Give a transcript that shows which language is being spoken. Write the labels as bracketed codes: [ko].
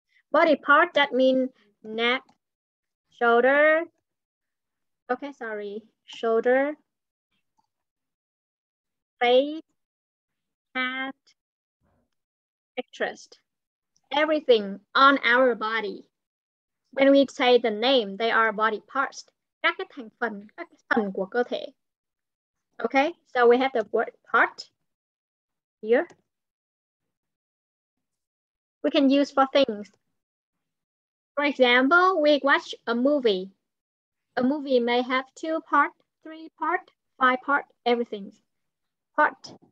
[en] Body part, that means neck, shoulder. Okay, sorry. Shoulder, face, hat, interest. Everything on our body. When we say the name, they are body parts. [vi] Các cái thành phần của cơ thể. [en] Okay, so we have the word part here. We can use for things. For example, we watch a movie. A movie may have 2 part, 3 part, 5 part, everything. Part.